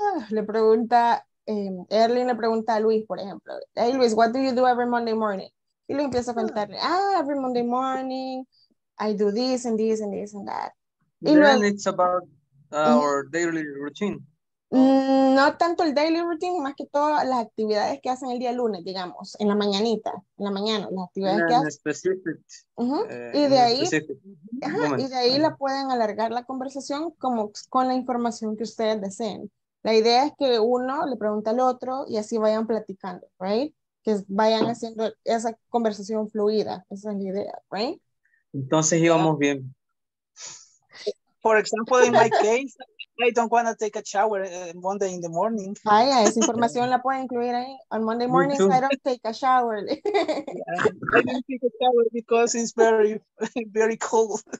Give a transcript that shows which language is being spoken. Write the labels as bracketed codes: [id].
[es] Le pregunta, Erling le pregunta a Luis, por ejemplo. [en] Hey, Luis, what do you do every Monday morning? Y le empieza a contarle, every Monday morning, I do this and this and this and that. Y then it's about our daily routine. [es] No tanto el daily routine, más que todo las actividades que hacen el día lunes, digamos, en la mañanita, en la mañana, las actividades que hacen. Y de ahí la pueden alargar la conversación como con la información que ustedes deseen. La idea es que uno le pregunte al otro y así vayan platicando, right? Que vayan haciendo esa conversación fluida, esa es la idea, right? Entonces íbamos bien. For example, in my case... [en] I don't want to take a shower Monday in the morning. [es] Vaya, esa información la puede incluir ahí. [en] On Monday mornings, I don't take a shower. Yeah, I don't take a shower because it's very, very cold.